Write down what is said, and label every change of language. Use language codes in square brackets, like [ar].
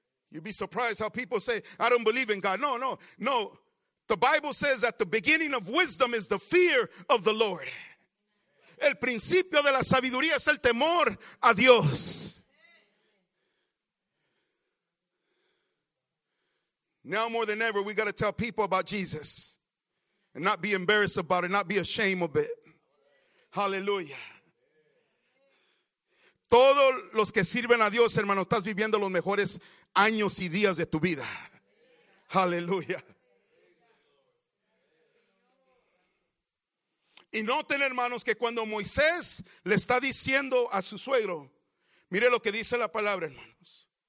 [en] You'd be surprised how people say, I don't believe in God. No, no, no. The Bible says that the beginning of wisdom is the fear of the Lord. [es] El principio de la sabiduría es el temor a Dios. [en] Now more than ever, we got to tell people about Jesus and not be embarrassed about it, not be ashamed of it. Hallelujah. [es] Todos los que sirven a Dios, hermano, estás viviendo los mejores años y días de tu vida. Aleluya. Y noten, hermanos, que cuando Moisés le está diciendo a su suegro, mire lo que dice la palabra, hermanos.